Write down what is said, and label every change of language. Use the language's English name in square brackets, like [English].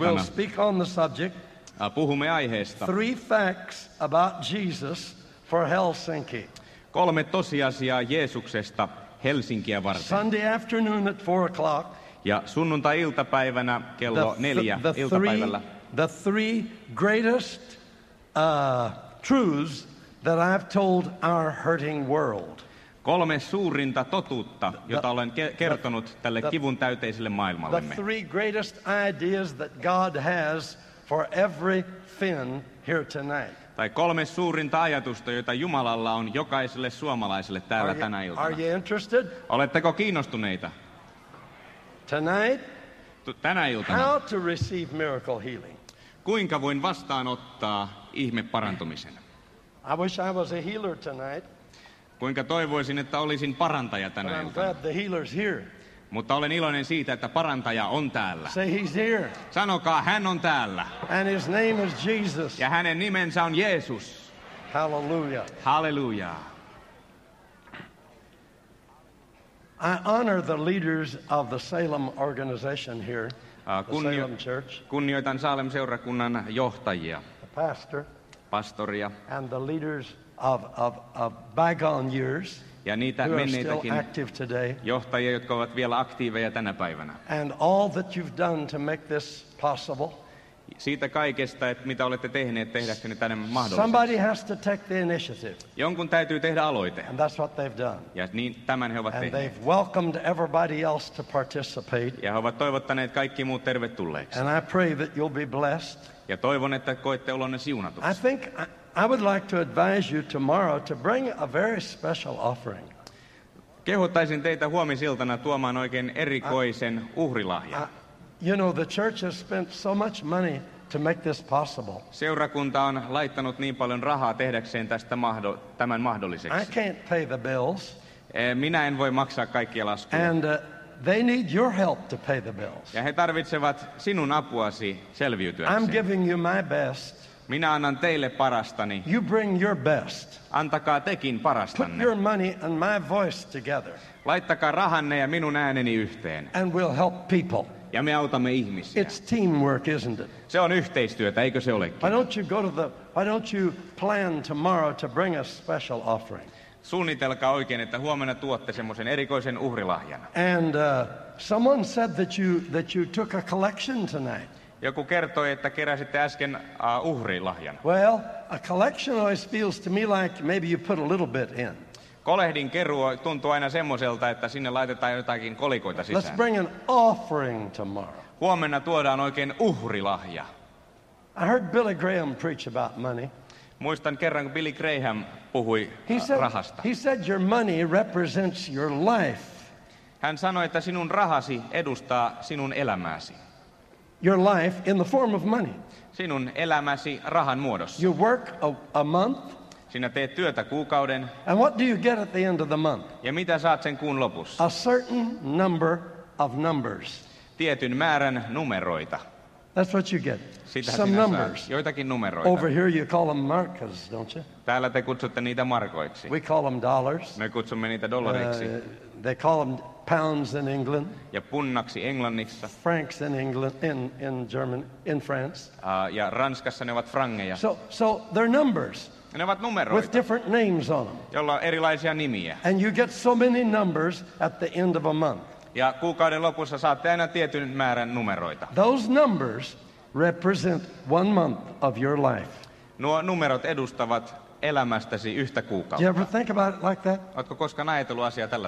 [English] we'll speak on the subject. [Finnish] Puhumme aiheesta. [English] Three facts about Jesus for Helsinki. [Finnish] Kolme tosiasiaa Jeesuksesta Helsinkiä varten. [English] Sunday afternoon at 4:00. [Finnish] Ja sunnuntai-iltapäivänä kello 4 iltapäivällä. [English] The three greatest truths that I've told our hurting world. [Finnish] Kolme suurinta totuutta, jota olen kertonut tälle kivun täyteiselle maailmalle. [English] The three greatest ideas that God has for every Finn here tonight. [Finnish] Tai kolme suurinta ajatusta, joita Jumalalla on jokaiselle suomalaiselle täällä tänä iltana. [English] Are you interested? [Finnish] Oletteko kiinnostuneita? [English] Tonight, [Finnish] tänä iltana, [English] how to receive miracle healing? [Finnish] Kuinka voin vastaanottaa ihme parantumisen? [English] I wish I was a healer tonight. [Finnish] Kuinka toivoisin, että olisin parantaja tänä [English] But [Finnish] iltana? [English] I'm glad the healer's here. [Finnish] Mutta olen iloinen siitä, että parantaja on täällä. [English] Say he's here. [Finnish] Sanokaa, hän on täällä. [English] And his name is Jesus. [Finnish] Ja hänen nimensä on Jeesus. [English] Hallelujah. [Finnish] Hallelujah. [English] I honor the leaders of the Salem organization here, Salem Church. [Finnish] Kunnioitan Salem-seurakunnan johtajia, [English] the pastor, [Finnish] pastoria, [English] and the leaders of bygone years, [Finnish] ja niitä [English] who are still active today, [Finnish] johtajia, jotka ovat vielä aktiiveja tänä päivänä, [English] and all that you've done to make this possible. [Finnish] Siitä kaikesta, että mitä olette tehneet, tehdäkseni tänne mahdolliseksi. [English] Somebody has to take the initiative. [Finnish] Jonkun täytyy tehdä aloite. [English] And that's what they've done. [Finnish] Ja niin, tämän he ovat [English] And [Finnish] tehneet. [English] They've welcomed everybody else to participate. [Finnish] Ja he ovat toivottaneet kaikki muut tervetulleeksi. [English] And I pray that you'll be blessed. [Finnish] Ja toivon, että koette olonne siunatuksi. [English] I would like to advise you tomorrow to bring a very special offering. [Finnish] Kehottaisin teitä huomisiltana tuomaan oikein erikoisen uhrilahjan. [English] You know, the church has spent so much money to make this possible. [Finnish] Seurakunta on laittanut niin paljon rahaa tehdäkseen tästä tämän mahdolliseksi. [English] I can't pay the bills. [Finnish] Minä en voi maksaa kaikkia laskuja. [English] And they need your help to pay the bills. [Finnish] Ja he tarvitsevat sinun apuasi selviytyäkseen. [English] I'm giving you my best. [Finnish] Minä annan teille parastani. [English] You bring your best. [Finnish] Antakaa tekin parastanne. [English] Put your money and my voice together. [Finnish] Laittakaa rahanne ja minun ääneni yhteen. [English] And we'll help people. [Finnish] Ja me autamme ihmisiä. [English] It's teamwork, isn't it? [Finnish] Se on yhteistyötä, eikö se olekin? [English] Why don't you plan tomorrow to bring a special offering? [Finnish] Suunnitelkaa oikein, että huomenna tuotte semmoisen erikoisen uhrilahjan. [English] And someone said that you took a collection tonight. [Finnish] Joku kertoi, että keräsitte äsken uhrilahjan. [English] Well, a collection always feels to me like maybe you put a little bit in. [Finnish] Kolehdin keruu tuntuu aina semmoiselta, että sinne laitetaan jotakin kolikoita sisään. [English] Let's bring an offering tomorrow. [Finnish] Huomenna tuodaan oikein uhrilahja. [English] I heard Billy Graham preach about money. [Finnish] Muistan kerran, kun Billy Graham puhui rahasta. [English] He said your money represents your life. [Finnish] Hän sanoi, että sinun rahasi edustaa sinun elämääsi. [English] Your life in the form of money. [Finnish] Sinun elämäsi rahan muodossa. [English] You work a month. [Finnish] Sinä teet työtä kuukauden. [English] And what do you get at the end of the month? [Finnish] Ja mitä saat sen kuun lopussa? [English] A certain number of numbers. [Finnish] Tietyn määrän numeroita. [English] That's what you get. [Finnish] Sitä [English] some numbers. [Finnish] Joitakin numeroita. [English] Over here you call them markas, don't you? [Finnish] Täällä te kutsutte niitä markoiksi. [English] We call them dollars. [Finnish] Me kutsumme niitä dollareiksi. [English] They call them pounds in England. [Finnish] Ja punnaksi Englannissa. [English] Francs in England, in German, in France. [Finnish] Ja Ranskassa ne ovat frangeja. [English] So they're numbers. [Finnish] Ne ovat numeroita. [English] With different names on them. [Finnish] Jolla on erilaisia nimiä. [English] And you get so many numbers at the end of a month. [Finnish] Ja kuukauden lopussa saatte aina tietyn määrän numeroita. [English] Those numbers represent one month of your life. [Finnish] Nuo numerot edustavat elämästäsi yhtä kuukautta. [English] You ever think about it like that? [Finnish] Ootko koskaan ajatellut asiaa tällä